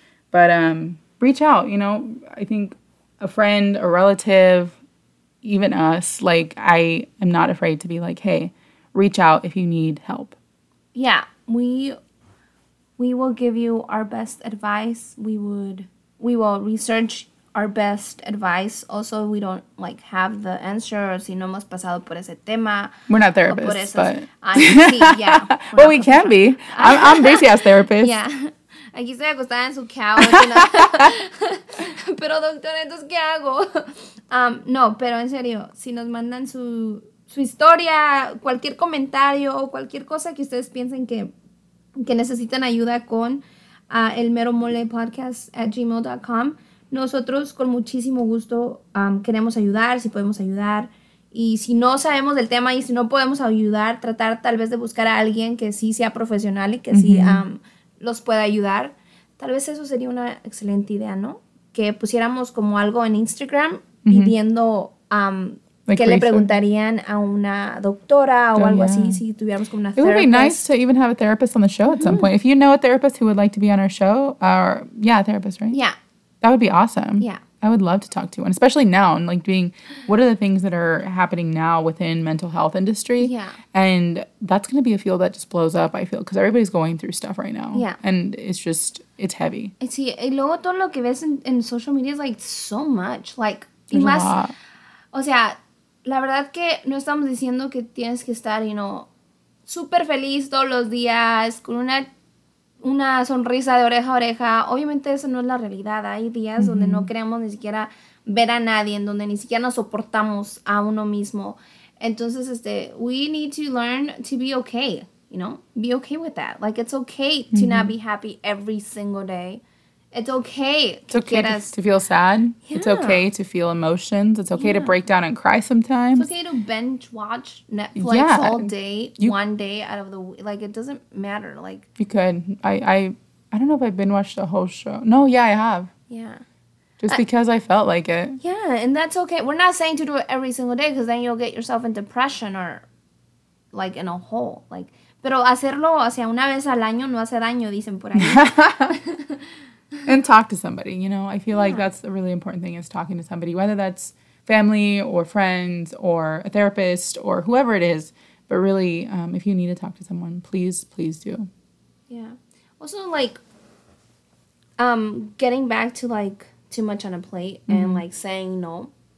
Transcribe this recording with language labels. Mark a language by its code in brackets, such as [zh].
[en] But reach out, you know. I think a friend, a relative, even us, like, I am not afraid to be like, hey, reach out if you need help. Yeah, we will give you our best advice. We will research our best advice. Also, we don't, like, have the answer. [es] Or si no hemos pasado por ese tema. [en] We're not therapists, but... We can be. I'm Brisia's therapist. [es] Yeah. Aquí estoy acostada en su couch. [en] You know? [es] Pero, doctor, ¿entonces qué hago? No, pero en serio, si nos mandan su historia, cualquier comentario, o cualquier cosa que ustedes piensen que necesitan ayuda con elmeromolepodcast@gmail.com. Nosotros con muchísimo gusto queremos ayudar, si podemos ayudar. Y si no sabemos del tema y si no podemos ayudar, tratar tal vez de buscar a alguien que sí sea profesional y que sí los pueda ayudar. Tal vez eso sería una excelente idea, ¿no? Que pusiéramos como algo en Instagram pidiendo que le preguntarían a una doctora o algo así, si tuviéramos como una [en] therapist. It would be nice to even have a therapist on the show at some point. If you know a therapist who would like to be on our show, a therapist, right? Yeah. That would be awesome. Yeah. I would love to talk to one, especially now, and like being, what are the things that are happening now within mental health industry? Yeah. And that's going to be a field that just blows up, I feel, because everybody's going through stuff right now. Yeah. And it's just, it's heavy. [es] Sí, y luego todo lo que ves en social media [en] is like so much. Like, there's [es] y [en] más, a lot. [es] O sea, la verdad que no estamos diciendo que tienes que estar, [en] you know, [es] super feliz todos los días, con una sonrisa de oreja a oreja. Obviamente esa no es la realidad. Hay días donde no queremos ni siquiera ver a nadie, en donde ni siquiera nos soportamos a uno mismo. [en] Entonces, we need to learn to be okay, you know? Be okay with that. Like, it's okay to not be happy every single day. It's okay to feel sad. Yeah. It's okay to feel emotions. It's okay to break down and cry sometimes. It's okay to binge watch Netflix all day, one day out of the week. Like, it doesn't matter. Like, you could. I don't know if I've binge watched a whole show. No, yeah, I have. Yeah. Just because I felt like it. Yeah, and that's okay. We're not saying to do it every single day, because then you'll get yourself in depression or, like, in a hole. [es] Like, pero hacerlo, o sea, una vez al año no hace daño, dicen por ahí. [en] And talk to somebody, you know? I feel like that's a really important thing, is talking to somebody, whether that's family or friends or a therapist or whoever it is. But really, if you need to talk to someone, please, please do. Yeah. Also, like, getting back to, like, too much on a plate and, like, saying no.